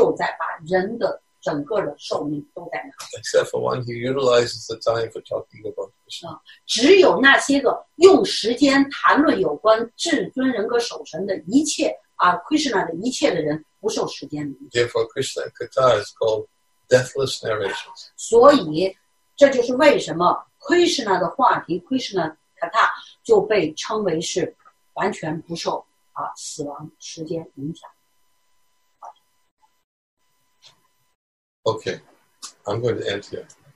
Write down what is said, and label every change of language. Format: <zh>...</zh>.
<zh>所以呢，圣典摩迦瓦坛里说了，太阳的起起落落就在把人的整个的寿命都在拿走。</zh> <en>Except for one who utilizes the time for talking about Krishna.</en> <zh>只有那些个用时间谈论有关至尊人格守神的一切。 Krishna的一切的人不受时间的。</zh> <en>Therefore, Krishna Katha is called deathless narrations.</en> <zh>所以，这就是为什么 Krishna的话题 Krishna Katha 就被称为是完全不受死亡时间影响。</zh> <en>Okay, I'm going to end here.</en>